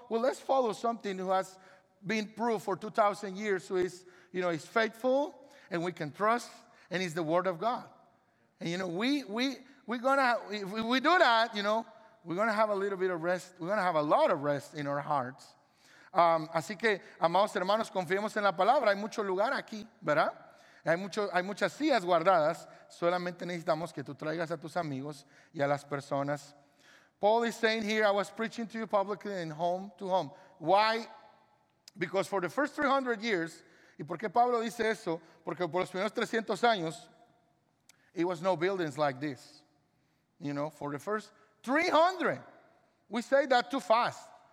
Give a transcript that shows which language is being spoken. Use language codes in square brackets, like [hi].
[en] Well, let's follow something who has been proved for 2,000 years. So it's, you know, it's faithful and we can trust and it's the word of God. And, you know, we're going to, if we do that, you know, we're going to have a little bit of rest. We're going to have a lot of rest in our hearts. [es] Así que, amados hermanos, confiemos en la palabra. Hay mucho lugar aquí, ¿verdad? Hay muchas sillas guardadas. Solamente necesitamos que tú traigas a tus amigos y a las personas. [en] Paul is saying here, I was preaching to you publicly and home to home. Why? Because for the first 300 years, [es] ¿y por qué Pablo dice eso? Porque por los primeros 300 años, [en] it was no buildings like this. You know, for the first 300. We say that too fast.